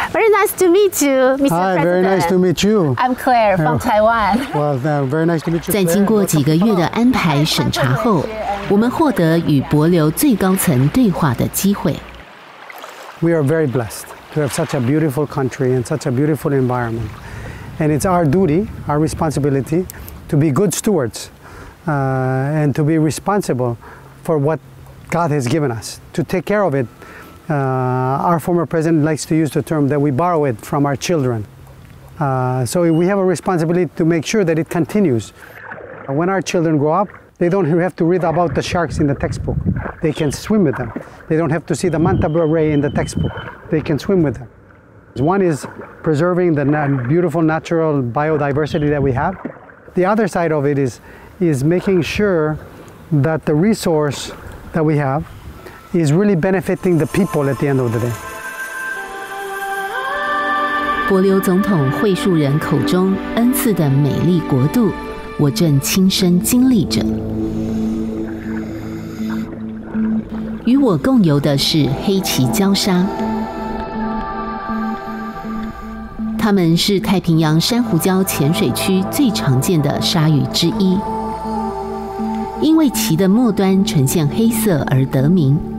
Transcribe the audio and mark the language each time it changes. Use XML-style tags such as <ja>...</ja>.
<en>Nice to meet you, Mr. President. Hi, very nice to meet you. I'm Claire from Taiwan. Well, very nice to meet you.</en> <zh>在经过几个月的安排审查后，我们获得与帛琉最高层对话的机会。</zh> <en>We are very blessed to have such a beautiful country and such a beautiful environment, and it's our duty, our responsibility, to be good stewards, and to be responsible for what God has given us to take care of it. Our former president likes to use the term that we borrow it from our children. So we have a responsibility to make sure that it continues. When our children grow up, they don't have to read about the sharks in the textbook. They can swim with them. They don't have to see the manta ray in the textbook. They can swim with them. One is preserving the beautiful natural biodiversity that we have. The other side of it is making sure that the resource that we have,is really benefiting the people at the end of the day.</en> <zh>帛琉总统讳述人口中恩赐的美丽国度，我正亲身经历着。与我共游的是黑鳍礁鲨，它们是太平洋珊瑚礁浅水区最常见的鲨鱼之一，因为鳍的末端呈现黑色而得名。</zh>